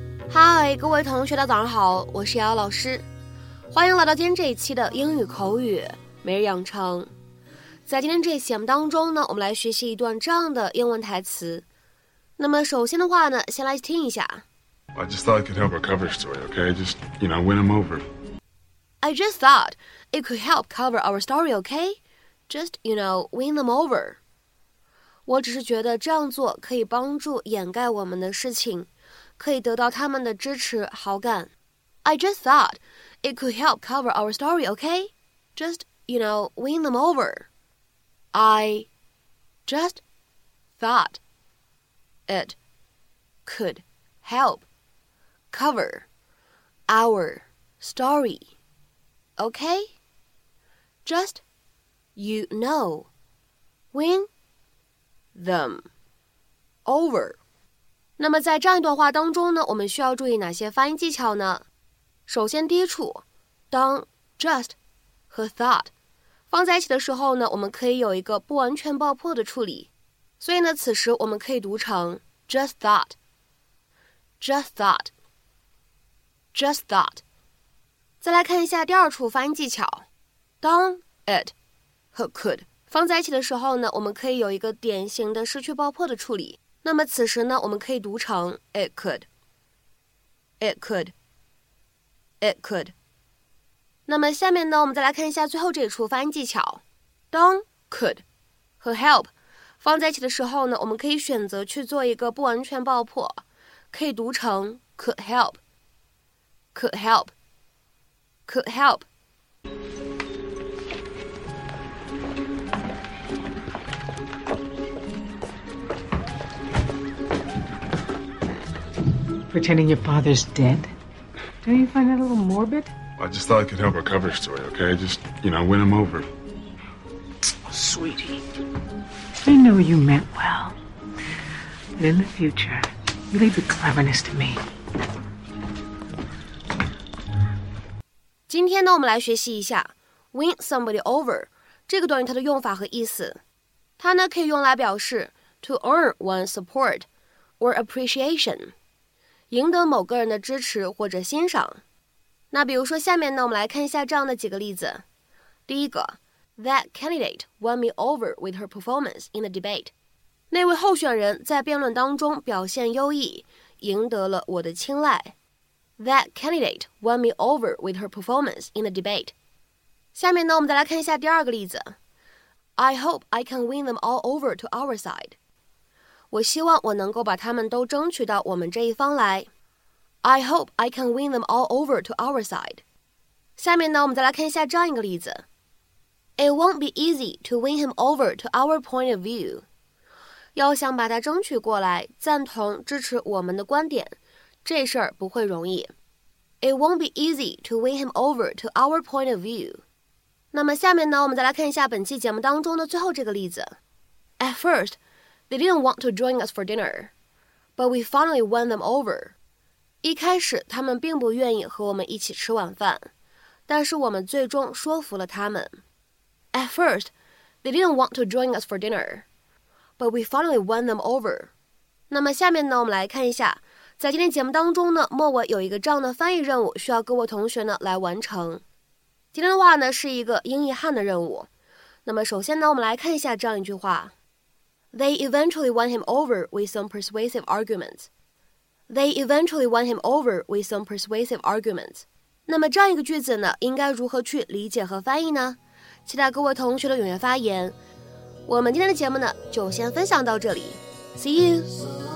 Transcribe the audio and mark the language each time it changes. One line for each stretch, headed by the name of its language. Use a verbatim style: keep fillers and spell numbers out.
Chinese: 嗨，各位同学大家早上好，我是瑶瑶老师，欢迎来到今天这一期的英语口语每日养成。在今天这一期节目当中呢，我们来学习一段这样的英文台词。那么首先的话呢，先来听一下。
English: I just thought it could help our cover story, okay? Just, you know, win them over. I just thought it could help cover our story, okay? Just, you know, win them over.
Chinese: 我只是觉得这样做可以帮助掩盖我们的事情。可以得到他们的支持好感。
English: I just thought it could help cover our story, okay? Just, you know, win them over. I just thought it could help cover our story, okay? Just, you know, win them over.
Chinese: 那么在这样一段话当中呢，我们需要注意哪些发音技巧呢？首先第一处，当 just 和 thought 放在一起的时候呢，我们可以有一个不完全爆破的处理，所以呢，此时我们可以读成
English: just thought, just thought, just thought。
Chinese: 再来看一下第二处发音技巧，当 it 和 could 放在一起的时候呢，我们可以有一个典型的失去爆破的处理。那么此时呢，我们可以读成
English: it could, it could, it could。
Chinese: 那么下面呢，我们再来看一下最后这一处发音技巧。当 could 和 help 放在一起的时候呢，我们可以选择去做一个不完全爆破，可以读成
English: could help, could help, could help。 Pretending your father's dead? Don't you find that a little morbid? I just thought it could help our cover story, okay? Just, you know, win him over. Oh, sweetie, I know you meant well. But in the future, you leave the cleverness to me.
Chinese: 今天呢，我们来学习一下
English: win somebody over
Chinese: 这个短语它的用法和意思。它呢可以用来表示
English: to earn one's support or appreciation。
Chinese: 赢得某个人的支持或者欣赏。那比如说下面呢，我们来看一下这样的几个例子。第一个
English: That candidate won me over with her performance in the debate.
Chinese: 那位候选人在辩论当中表现优异，赢得了我的青睐。
English: That candidate won me over with her performance in the debate.
Chinese: 下面呢，我们再来看一下第二个例子。
English: I hope I can win them all over to our side.
Chinese: 我希望我能够把他们都争取到我们这一方来。
English: I hope I can win them all over to our side.
Chinese: 下面呢，我们再来看一下这样一个例子。
English: It won't be easy to win him over to our point of view.
Chinese: 要想把他争取过来，赞同支持我们的观点，这事儿不会容易。
English: It won't be easy to win him over to our point of view.
Chinese: 那么下面呢，我们再来看一下本期节目当中的最后这个例子。
English: At first,They didn't want to join us for dinner, but we finally won them over.
Chinese: 一开始他们并不愿意和我们一起吃晚饭，但是我们最终说服了他们。
English: At first, they didn't want to join us for dinner, but we finally won them over.
Chinese: 那么下面呢，我们来看一下，在今天节目当中呢，末尾有一个这样的翻译任务需要各位同学呢来完成。今天的话呢是一个英译汉的任务。那么首先呢，我们来看一下这样一句话。
English: They eventually won him over with some persuasive arguments. They eventually won him over with some persuasive arguments.
Chinese: 那么这样一个句子呢，应该如何去理解和翻译呢？期待各位同学的踊跃发言。我们今天的节目呢，就先分享到这里。
English: See you!